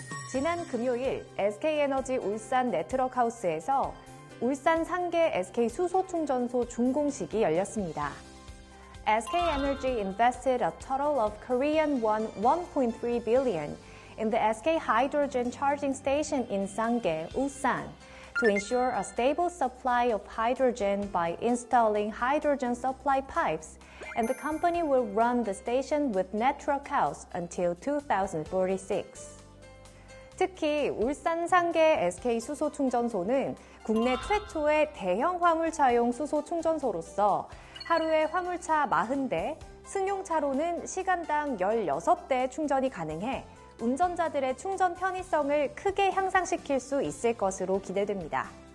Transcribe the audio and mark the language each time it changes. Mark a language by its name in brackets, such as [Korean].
[Korean] 지난 금요일 SK에너지 울산 네트워크하우스에서 울산 상계 SK 수소충전소 준공식이 열렸습니다. [English] SK Energy invested a total of Korean won 1.3 billion in the SK Hydrogen Charging Station in Sangae, Ulsan, to ensure a stable supply of hydrogen by installing hydrogen supply pipes, and the company will run the station with network house until 2046. [Korean] 특히 울산 상계 SK 수소 충전소는 국내 최초의 대형 화물차용 수소 충전소로서 하루에 화물차 40대, 승용차로는 시간당 16대 충전이 가능해 운전자들의 충전 편의성을 크게 향상시킬 수 있을 것으로 기대됩니다.